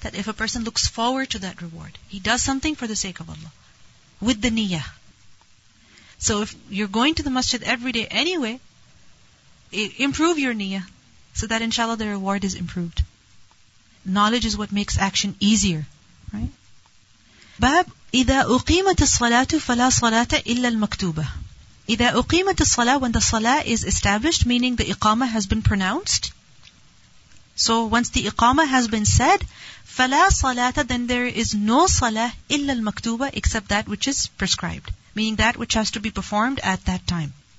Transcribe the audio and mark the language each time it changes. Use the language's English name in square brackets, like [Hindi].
[English] That if a person looks forward to that reward, he does something for the sake of Allah. With the niyyah. So if you're going to the masjid every day anyway, improve your niyyah, so that inshallah the reward is improved. Knowledge is what makes action easier, right? [Arabic] باب إذا أقيمت الصلاة فلا صلاة إلا المكتوبة. إذا أقيمت الصلاة, [English] when the salah is established, meaning the iqama has been pronounced. So once the iqama has been said, [Arabic] فلا صلاة, [English] then there is no salah [Arabic] إلا المكتوبة, [English] except that which is prescribed, meaning that which has to be performed at that time.